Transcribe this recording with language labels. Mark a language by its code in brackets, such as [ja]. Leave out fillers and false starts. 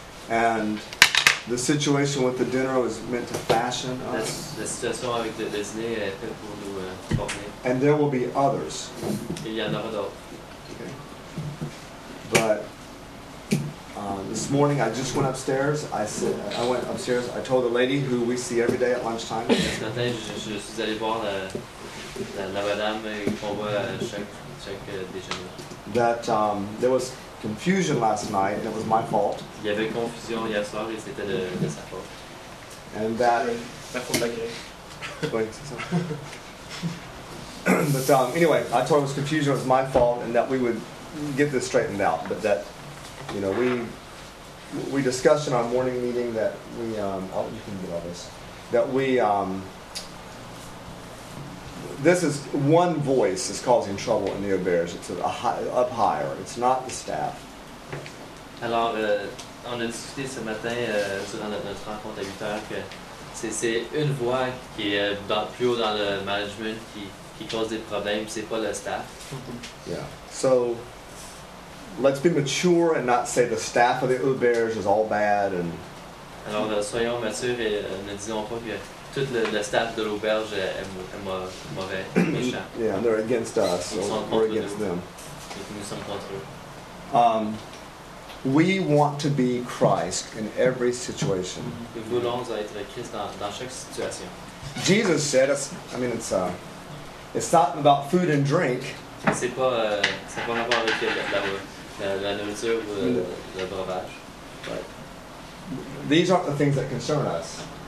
[en] And the situation with the dinner was meant to fashion us. [fr] La situation avec le dîner est faite pour nous former. [en] And there will be others. [fr] Il y en aura d'autres. [en] But this morning I just went upstairs. I went upstairs. I told the lady who we see every day at lunchtime. [fr] Ce matin, je suis allé voir la madame qu'on voit chaque déjeuner. [en] That there was confusion last night, and it was my fault. [fr] Il y avait confusion hier soir et c'était de sa faute. [en] And that. Wait, but anyway, I told him it was confusion, it was my fault, and that we would get this straightened out. But that, you know, we discussed in our morning meeting that we you can get all this. That we this is one voice is causing trouble in the Auberge. It's up higher. It's not the staff. [fr] Alors, on a discuté ce matin durant notre rencontre à 8h que c'est une voix qui est plus haut dans le management qui cause des problèmes, c'est pas le staff. [en] Yeah. So, let's be mature and not say the staff of the Auberge is all bad. And [fr] alors, soyons matures et ne disons pas que tout le staff de l'Auberge est mauvais, méchant. [en] Yeah, they're against us, or against them. [fr] Nous sommes contre eux. [en] We want to be Christ in every situation. [fr] Nous voulons être Christ dans chaque situation. [en] Jesus said, it's not about food and drink. [fr] C'est pas ça a pas rapport avec la nourriture ou le breuvage. [en] But these aren't the things that concern us.